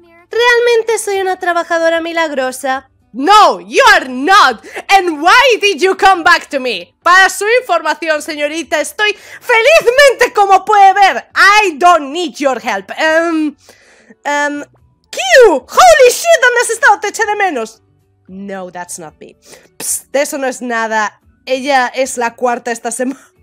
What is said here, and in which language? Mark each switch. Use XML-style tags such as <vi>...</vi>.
<es>Realmente soy una trabajadora milagrosa.</es> <en>No, you are not. And why did you come back to me?</en> <es>Para su información, señorita, estoy felizmente, como puede ver.</es> <en>I don't need your help. Q, holy shit,</en> <es>¿dónde has estado? Te eché de menos.</es> <en>No, that's not me.</en> <es>Psst, eso no es nada. Ella es la cuarta esta semana.</es>